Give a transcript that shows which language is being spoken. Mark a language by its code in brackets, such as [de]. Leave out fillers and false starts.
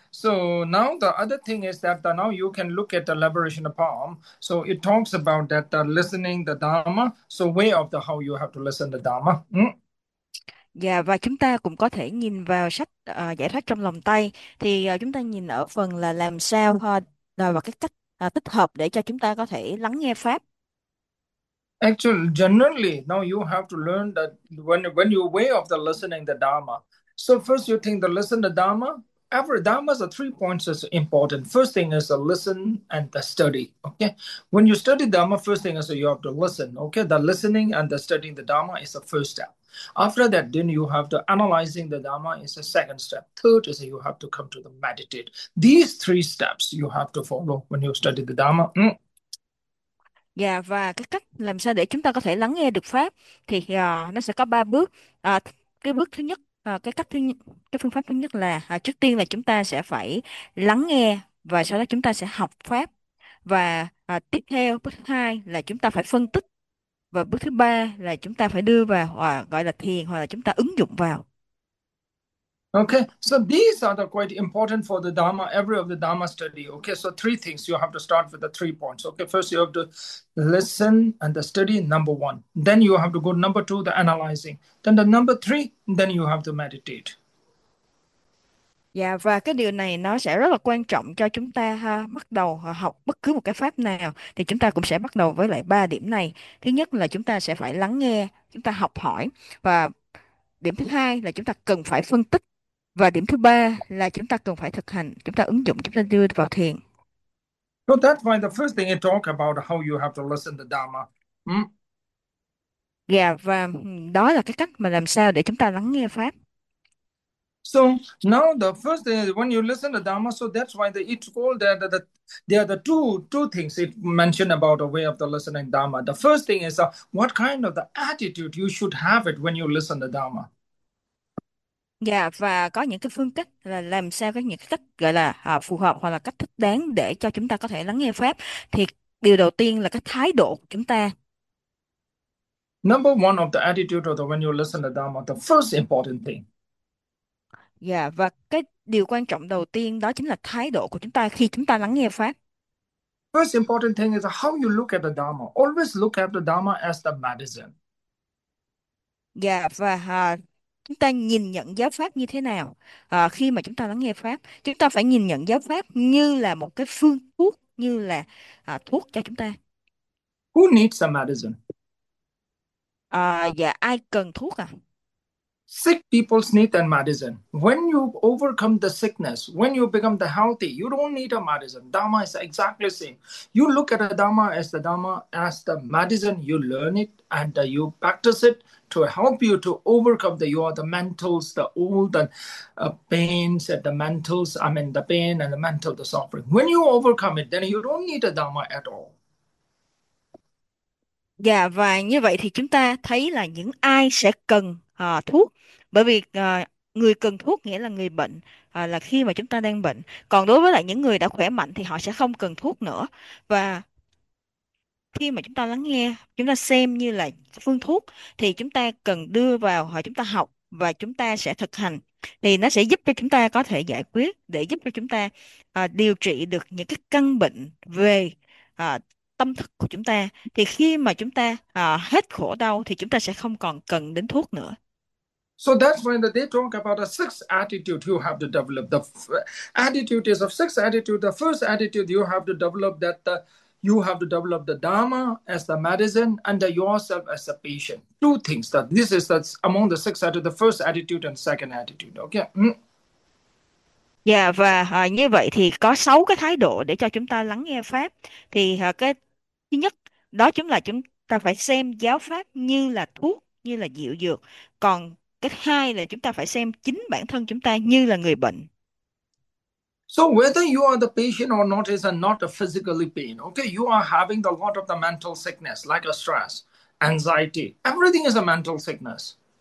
[en] So now the other thing is that now you can look at the liberation of palm. So it talks about that listening the Dharma. So way of the how you have to listen the Dharma. [vi] Dạ, và chúng ta cũng có thể nhìn vào sách giải thoát trong lòng tay thì chúng ta nhìn ở phần là làm sao và cái cách thích hợp để cho chúng ta có thể lắng nghe Pháp. [en] Actually, generally, now you have to learn that when you way of the listening the Dharma. So first you think the listen the Dharma. Every Dharma's are 3 points is important. First thing is the listen and the study. Okay. When you study Dharma, first thing is you have to listen. Okay. The listening and the studying the Dharma is the first step. After that, then you have to analyzing the Dharma is the second step. Third is you have to come to the meditate. These three steps you have to follow when you study the Dharma. [vi] Dạ, và cái cách làm sao để chúng ta có thể lắng nghe được Pháp thì nó sẽ có 3 bước. Cái bước thứ nhất, cái phương pháp thứ nhất là trước tiên là chúng ta sẽ phải lắng nghe và sau đó chúng ta sẽ học Pháp. Và tiếp theo bước thứ hai là chúng ta phải phân tích. Và bước thứ ba là chúng ta phải đưa vào hoặc gọi là thiền hoặc là chúng ta ứng dụng vào. [en] Okay, so these are the quite important for the Dharma, every of the Dharma study. Okay, so three things you have to start with the 3 points. Okay, first you have to listen and the study, number one. Then you have to go number two, the analyzing. Then the number three, then you have to meditate. [vi] Dạ, và cái điều này nó sẽ rất là quan trọng cho chúng ta bắt đầu học bất cứ một cái pháp nào thì chúng ta cũng sẽ bắt đầu với lại 3 điểm này. Thứ nhất là chúng ta sẽ phải lắng nghe, chúng ta học hỏi, và điểm thứ hai là chúng ta cần phải phân tích, và điểm thứ ba là chúng ta cần phải thực hành, chúng ta ứng dụng, chúng ta đưa vào thiền. [en] So that's why the first thing you talk about how you have to listen to Dharma. [vi] Dạ, và đó là cái cách mà làm sao để chúng ta lắng nghe pháp. [en] So now the first thing is when you listen to Dharma, so that's why it's called that there are the two things it mentioned about a way of the listening Dharma. The first thing is what kind of the attitude you should have it when you listen to Dharma. [vi] Dạ, và có những cái phương cách là làm sao có những cái cách gọi là phù hợp hoặc là cách thích đáng để cho chúng ta có thể lắng nghe Pháp thì điều đầu tiên là cái thái độ của chúng ta. [en] Number one of the attitude of the when you listen to Dharma, the first important thing. [vi] Dạ, và cái điều quan trọng đầu tiên đó chính là thái độ của chúng ta khi chúng ta lắng nghe Pháp. [en] First important thing is how you look at the Dharma. Always look at the Dharma as the medicine. [vi] Dạ, và chúng ta nhìn nhận giáo pháp như thế nào khi mà chúng ta lắng nghe pháp, chúng ta phải nhìn nhận giáo pháp như là một cái phương thuốc, như là thuốc cho chúng ta. [en] Who needs a medicine? [vi] Dạ, ai cần thuốc à? [en] Sick people need that medicine. When you overcome the sickness, when you become the healthy, you don't need a medicine. Dharma is exactly the same. You look at the Dharma as the medicine. You learn it and you practice it to help you to overcome the mentals, the all the pains and the mentals. I mean the pain and the mental, the suffering. When you overcome it, then you don't need a Dharma at all. [vi] Dạ, và như vậy thì chúng ta thấy là những ai sẽ cần thuốc, bởi vì người cần thuốc nghĩa là người bệnh, là khi mà chúng ta đang bệnh. Còn đối với lại những người đã khỏe mạnh thì họ sẽ không cần thuốc nữa. Và khi mà chúng ta lắng nghe, chúng ta xem như là phương thuốc thì chúng ta cần đưa vào họ, chúng ta học và chúng ta sẽ thực hành thì nó sẽ giúp cho chúng ta có thể giải quyết, để giúp cho chúng ta điều trị được những cái căn bệnh về tâm thức của chúng ta. Thì khi mà chúng ta hết khổ đau thì chúng ta sẽ không còn cần đến thuốc nữa. [en] So that's when they talk about a six attitude you have to develop. The attitude is of six attitude. The first attitude you have to develop that You have to develop the Dharma as the medicine and yourself as a patient. Two things that this is that's among the six attitudes, the first attitude and second attitude. Okay. [vi] Dạ yeah, và như vậy thì có 6 cái thái độ để cho chúng ta lắng nghe pháp. Thì cái thứ nhất đó chính là chúng ta phải xem giáo pháp như là thuốc, như là diệu dược. Còn cái hai là chúng ta phải xem chính bản thân chúng ta như là người bệnh. [en] So whether you are the patient or not is not a physically pain. Okay, you are having a lot of the mental sickness, like a stress, anxiety. Everything is a mental sickness.